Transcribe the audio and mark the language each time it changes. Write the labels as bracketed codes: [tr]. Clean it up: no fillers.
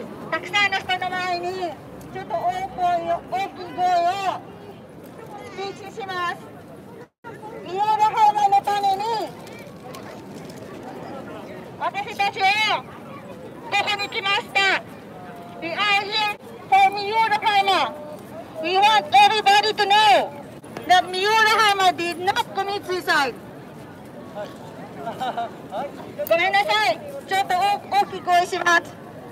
[ja] たくさんの人の前にちょっと大声を、大きい声を禁止します。見える方のために私たちをここに来ました。 [en] We are here for Miurahama. We want everybody to know that Miurahama did not commit suicide. [ja] ごめんなさい、ちょっと大きい声します。